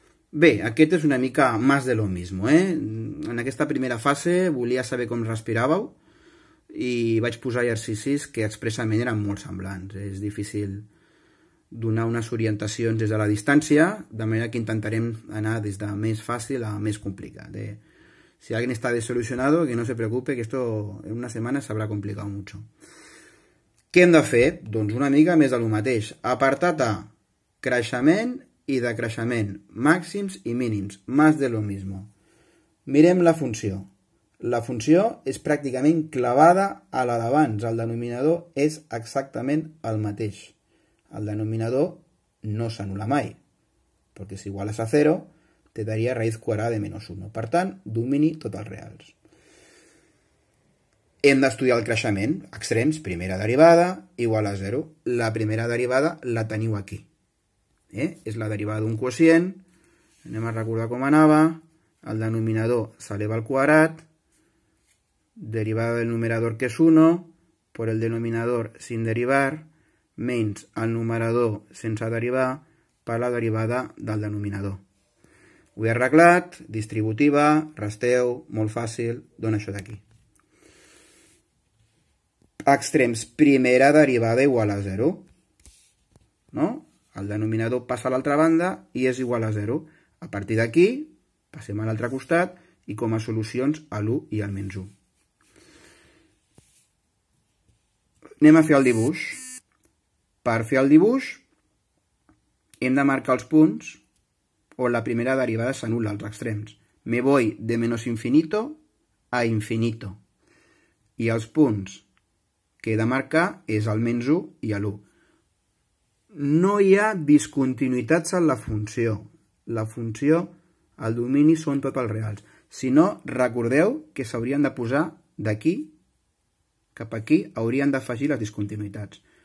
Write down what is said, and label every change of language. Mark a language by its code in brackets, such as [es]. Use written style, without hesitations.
[ca] Bé, aquest és una mica [es] más de lo mismo. [ca] En aquesta primera fase volia saber com respiràveu i vaig posar exercicis que expressament eren molt semblants. És difícil donar unes orientacions des de la distància, de manera que intentarem anar des de més fàcil a més complicat. [es] Si alguien está desilusionado, que no se preocupe, que esto en una semana se habrá complicado mucho. [ca] ¿Qué hem de fer? Doncs una mica més de lo mateix. Apartat A, creixement i decreixement, màxims i mínims, [es] más de lo mismo. [ca] Mirem la funció. La funció és pràcticament clavada a la d'abans. El denominador és exactament el mateix. El denominador no s'anula mai, perquè si iguales a 0, te daria raïs quadrada de menys 1. Per tant, domini totals reals. Hem d'estudiar el creixement, extrems, primera derivada, igual a 0. La primera derivada la teniu aquí. És la derivada d'un quocient. Anem a recordar com anava. El denominador s'eleva al quadrat. Derivada del numerador, que és 1, per el denominador sin derivar, menys el numerador sense derivar, per la derivada del denominador. Ho he arreglat, distributiva, resteu, molt fàcil, dona això d'aquí. Extrems, primera derivada igual a 0. No? El denominador passa a l'altra banda i és igual a 0. A partir d'aquí, passem a l'altre costat i com a solucions a l'1 i al menys 1. Anem a fer el dibuix. Per fer el dibuix, hem de marcar els punts o la primera derivada s'anul·la als extrems. [es] Me voy de menos infinito a infinito. [ca] I els punts que he de marcar és el menys 1 i l'1. No hi ha discontinuïtats en la funció. La funció, el domini, són totals reals. Si no, recordeu que s'haurien de posar d'aquí cap aquí, haurien d'afegir les discontinuïtats.